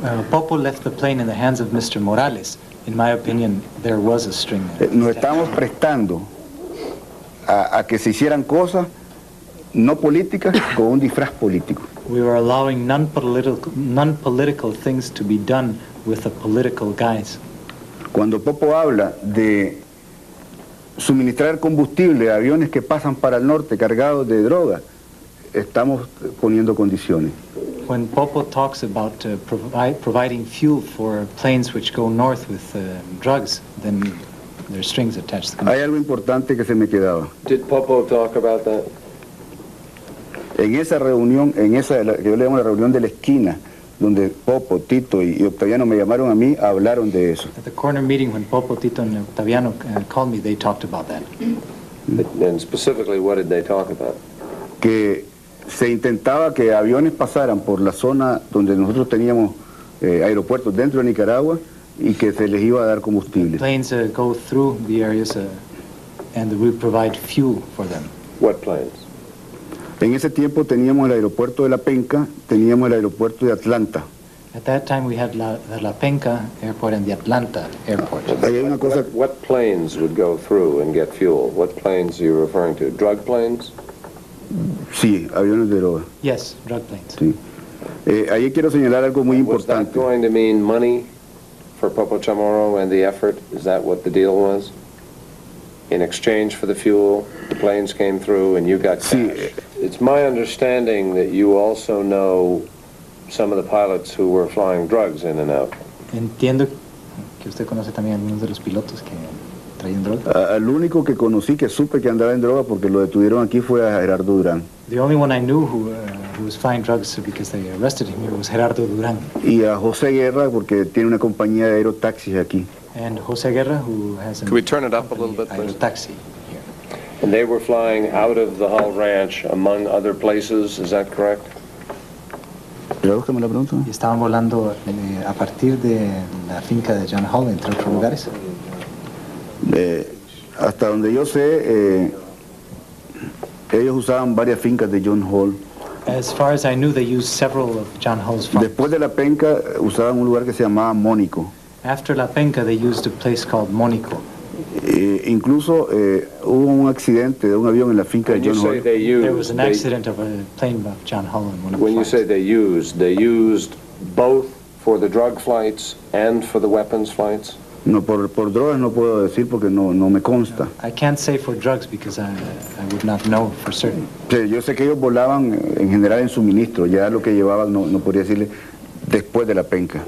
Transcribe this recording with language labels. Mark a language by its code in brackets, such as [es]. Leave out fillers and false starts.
[en] Popo left the plane in the hands of Mr. Morales, in my opinion, there was a string there. [es] Nos estábamos prestando a que se hicieran cosas no políticas con un disfraz político. [en] We were allowing non-political things to be done with a political guise. [es] Cuando Popo habla de suministrar combustible a aviones que pasan para el norte cargados de droga, estamos poniendo condiciones. [en] When Popo talks about providing fuel for planes which go north with drugs, then there are strings attached to the [es] combustible. Hay algo importante que se me quedaba. [en] Did Popo talk about that? [es] En esa reunión, en esa que yo le llamo la reunión de la esquina, donde Popo, Tito y Octaviano me llamaron a mí, hablaron de eso. [en] At the corner meeting when Popo, Tito and Octaviano called me, they talked about that. And specifically, what did they talk about? [es] Que se intentaba que aviones pasaran por la zona donde nosotros teníamos aeropuertos dentro de Nicaragua y que se les iba a dar combustible. [en] Planes go through the areas and we provide fuel for them. What planes? [es] En ese tiempo teníamos el aeropuerto de La Penca, teníamos el aeropuerto de Atlanta. [en] At that time we had the La Penca airport and the Atlanta airport. What planes would go through and get fuel? What planes are you referring to? Drug planes? [es] Sí, aviones de droga. [en] Yes, drug planes. [es] Sí. Ahí quiero señalar algo muy importante. [en] Was that going to mean money for Popo Chamorro and the effort? Is that what the deal was? In exchange for the fuel, the planes came through and you got cash. [es] Sí. [en] It's my understanding that you also know some of the pilots who were flying drugs in and out. [es] Entiendo que usted conoce también a algunos de los pilotos que traían droga. El único que conocí, que supe que andaba en droga porque lo detuvieron aquí fue a Gerardo Durán. [en] The only one I knew who was flying drugs because they arrested him was Gerardo Durán. [es] Y a José Guerra porque tiene una compañía de aerotaxis aquí. [en] And José Guerra, who has a Can we turn it up a little bit, aerotaxi. And they were flying out of the Hull Ranch, among other places, is that correct? [es] Estaban volando a partir de la finca de John Hull, entre otros lugares. Hasta donde yo sé, ellos usaban varias fincas de John Hull. [en] As far as I knew, they used several of John Hull's farms. [es] Después de La Penca, usaban un lugar que se llamaba Mónico. [en] After La Penca, they used a place called Monico. [es] Incluso hubo un accidente de un avión en la finca de John Holland. [en] There was an accident of a plane of John Holland. When you say they used both for the drug flights and for the weapons flights? [es] No, por drogas no puedo decir porque no me consta. [en] I can't say for drugs because I would not know for certain. [es] Sí, yo sé que ellos volaban en general en suministro, ya lo que llevaban no podría decirle después de La Penca.